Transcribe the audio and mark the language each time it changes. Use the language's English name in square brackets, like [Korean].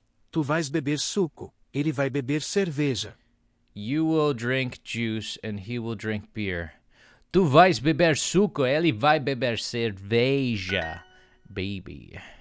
[Portuguese] Tu vais beber suco, ele vai beber cerveja. [English] You will drink juice and he will drink beer. [Portuguese] Tu vais beber suco, ele vai beber cerveja, baby.